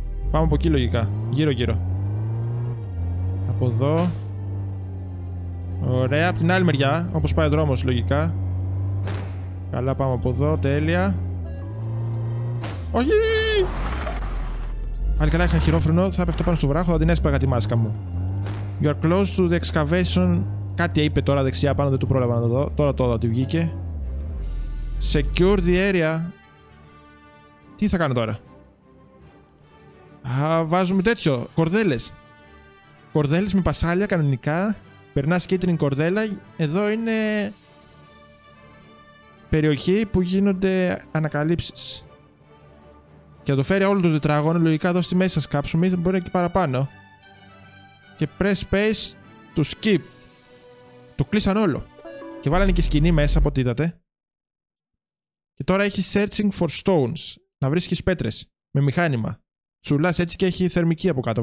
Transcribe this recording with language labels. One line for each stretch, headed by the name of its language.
Greek: Πάμε από εκεί λογικά. Γύρω γύρω. Από εδώ. Ωραία. Από την άλλη μεριά. Όπως πάει ο δρόμος λογικά. Καλά πάμε από εδώ. Τέλεια. Όχι! Πάλι καλά είχα χειρόφρενο, θα έπεφτε πάνω στο βράχο, θα την έσπαγα τη μάσκα μου.
English: You are close to the excavation.
Greek: Κάτι είπε τώρα δεξιά πάνω, δεν το πρόλαβα να το δω. Τώρα τη βγήκε.
English: Secure the area.
Greek: Τι θα κάνω τώρα. Α, βάζουμε τέτοιο, κορδέλες. Κορδέλες με πασάλια κανονικά. Περνάς κίτρινη κορδέλα. Εδώ είναι... περιοχή που γίνονται ανακαλύψεις. Και θα το φέρει όλο το τετράγωνο. Λογικά εδώ στη μέση θα σκάψουμε. Μπορεί να και παραπάνω.
English: και press space to skip.
Greek: Το κλείσαν όλο. Και βάλανε και σκηνή μέσα από ό,τι είδατε. Και τώρα έχει
English: searching for stones.
Greek: Να βρίσκεις πέτρες. Με μηχάνημα. Τσουλάς έτσι και έχει θερμική από κάτω.